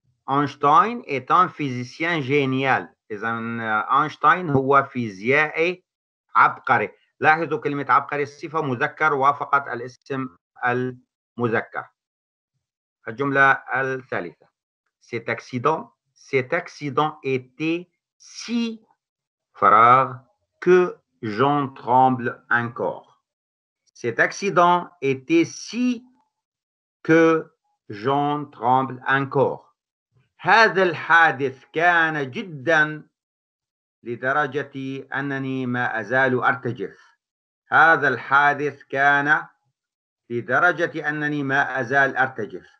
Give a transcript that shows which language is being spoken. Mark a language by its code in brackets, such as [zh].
[fr] أينشتاين est un physicien génial. [ar] إذا أينشتاين هو فيزيائي عبقري. لاحظوا كلمة عبقري صفة مذكر وافقت الاسم المذكر. الجملة الثالثة: [fr] Cet accident était si [ar] فراغ [fr] que j'en tremble encore. Cet accident était si que j'en tremble encore. [ar] هذا الحادث كان جدا لدرجة أنني ما أزال أرتجف. هذا الحادث كان لدرجة أنني ما أزال أرتجف.